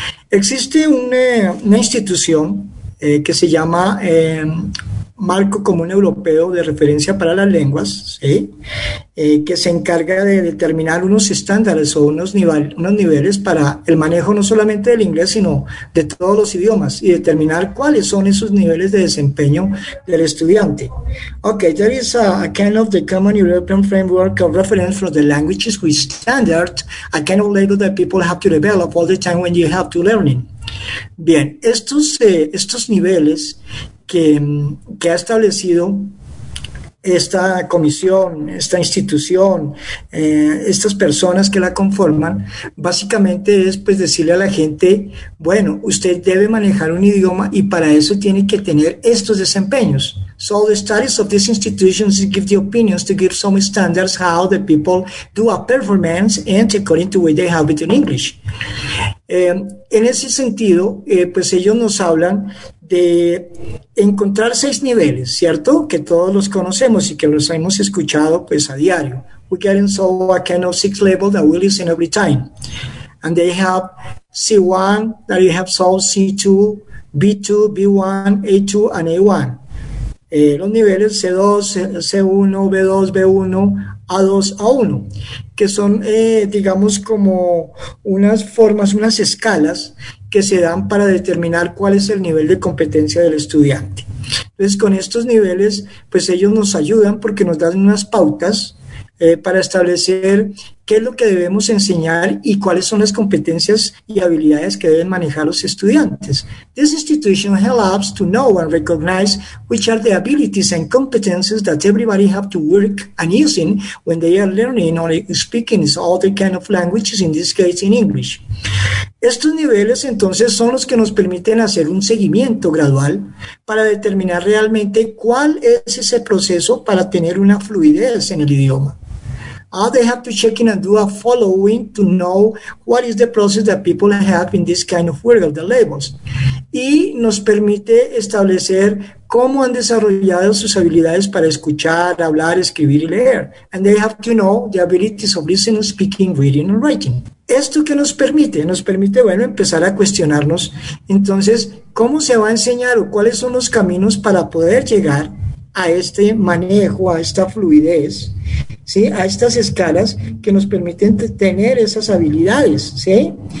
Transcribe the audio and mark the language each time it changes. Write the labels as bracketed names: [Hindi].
[Spanish] Existe una institución que se llama Marco Común Europeo de Referencia para las Lenguas, ¿sí? Que se encarga de determinar unos estándares o unos niveles para el manejo no solamente del inglés, sino de todos los idiomas, y determinar cuáles son esos niveles de desempeño del estudiante. [English] Okay, there is a kind of the Common European Framework of Reference for the Languages, which standard, a kind of level that people have to develop all the time when you have to learning. [Spanish] Bien, estos niveles que ha establecido esta comisión, esta institución, estas personas que la conforman, básicamente es pues decirle a la gente, bueno, usted debe manejar un idioma y para eso tiene que tener estos desempeños. [English] So the studies of these institutions give the opinions to give some standards how the people do a performance and according to what they have it in English. [Spanish] En ese sentido, pues ellos nos hablan de encontrar 6 niveles, ¿cierto? Que todos los conocemos y que los hemos escuchado pues a diario. [English] We get in so a kind of 6 levels that we listen every time. And they have C1, that you have so C2, B2, B1, A2, and A1. [Spanish] Los niveles C2, C1, B2, B1, A2, A1, que son, digamos, como unas formas, unas escalas que se dan para determinar cuál es el nivel de competencia del estudiante. Entonces, con estos niveles, pues ellos nos ayudan porque nos dan unas pautas para establecer qué es lo que debemos enseñar y cuáles son las competencias y habilidades que deben manejar los estudiantes. [English] This institution helps to know and recognize which are the abilities and competences that everybody have to work and using when they are learning or speaking all the kind of languages, in this case in English. [Spanish] Estos niveles entonces son los que nos permiten hacer un seguimiento gradual para determinar realmente cuál es ese proceso para tener una fluidez en el idioma. [English] They have to check in and do a following to know what is the process that people have in this kind of work of the labels. [Spanish] Y nos permite establecer cómo han desarrollado sus habilidades para escuchar, hablar, escribir y leer. [English] And they have to know the abilities of listening, speaking, reading and writing. [Spanish] ¿Esto qué nos permite? Nos permite, bueno, empezar a cuestionarnos. Entonces, ¿cómo se va a enseñar o cuáles son los caminos para poder llegar a este manejo, a esta fluidez, ¿sí? A estas escalas que nos permiten tener esas habilidades, ¿sí?